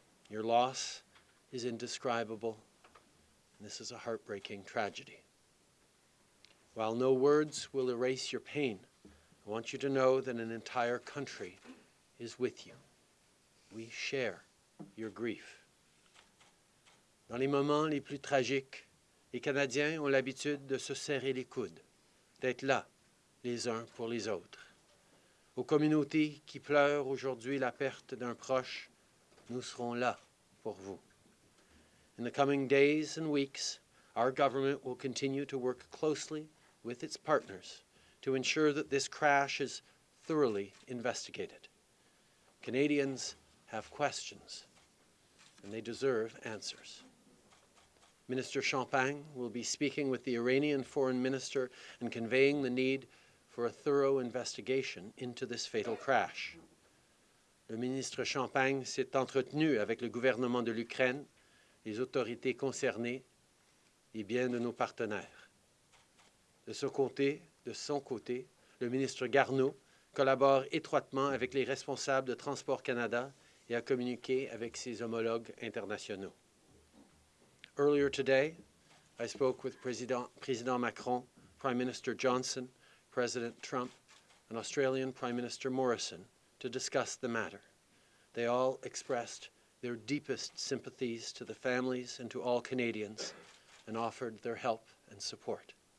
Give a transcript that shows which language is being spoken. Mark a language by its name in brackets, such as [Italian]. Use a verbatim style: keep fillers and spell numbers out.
[English] Your loss is indescribable, and this is a heartbreaking tragedy. While no words will erase your pain, I want you to know that an entire country is with you. We share your grief. [French] Dans les moments les plus tragiques, les Canadiens ont l'habitude de se serrer les coudes, d'être là, les uns pour les autres. Aux communautés qui pleurent aujourd'hui la perte d'un proche, nous serons là pour vous. [English] In the coming days and weeks, our government will continue to work closely with its partners to ensure that this crash is thoroughly investigated. Canadians have questions, and they deserve answers. Minister Champagne will be speaking with the Iranian Foreign Minister and conveying the need for a thorough investigation into this fatal crash. [French] Le ministre Champagne s'est entretenu avec le gouvernement de l'Ukraine, les autorités concernées et bien de nos partenaires. De ce côté, de son côté, le ministre Garneau collabore étroitement avec les responsables de Transport Canada et a communiqué avec ses homologues internationaux. [English] Earlier today, I spoke with President, President Macron, Prime Minister Johnson, President Trump, and Australian Prime Minister Morrison to discuss the matter. They all expressed their deepest sympathies to the families and to all Canadians and offered their help and support.